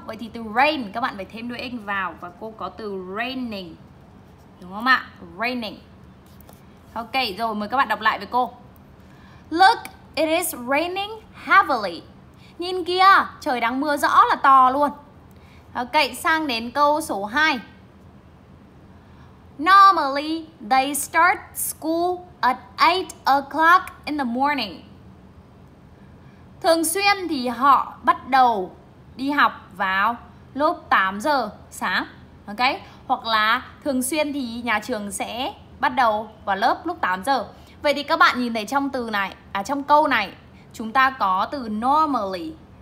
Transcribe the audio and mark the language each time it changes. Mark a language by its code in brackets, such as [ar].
[vi] Vậy thì từ rain các bạn phải thêm đuôi ing vào. Và cô có từ raining, đúng không ạ? Raining. Ok, rồi mời các bạn đọc lại với cô. [en] Look, it is raining heavily. [vi] Nhìn kia, trời đang mưa rõ là to luôn. Ok, sang đến câu số 2. [en] Normally, they start school at 8 o'clock in the morning. [vi] Thường xuyên thì họ bắt đầu đi học vào lúc 8 giờ sáng. Ok, hoặc là thường xuyên thì nhà trường sẽ bắt đầu vào lớp lúc 8 giờ. Vậy thì các bạn nhìn thấy trong từ này, trong câu này chúng ta có từ normally.